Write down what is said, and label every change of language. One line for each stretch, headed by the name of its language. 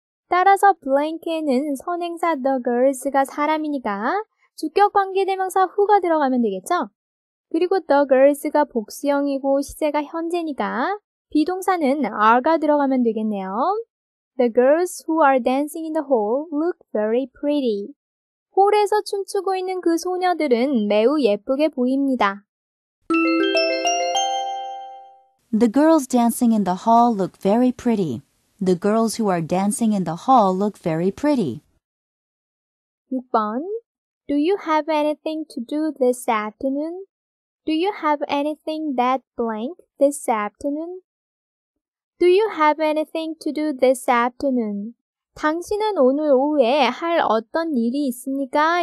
Korean: 따라서 blank에는 선행사 the girls가 사람이니까 주격 관계대명사 who가 들어가면 되겠죠? 그리고 the girls가 복수형이고 시제가 현재니까 비동사는 are가 들어가면 되겠네요.
English: The girls who are dancing in the hall look very pretty.
Korean: 홀에서 춤추고 있는 그 소녀들은 매우 예쁘게 보입니다.
English: The girls dancing in the hall look very pretty. The girls who are dancing in the hall look very pretty.
Korean: 6번.
English: Do you have anything to do this afternoon? Do you have anything that blank this afternoon? Do you have anything to do this afternoon?
Korean: 당신은 오늘 오후에 할 어떤 일이 있습니까?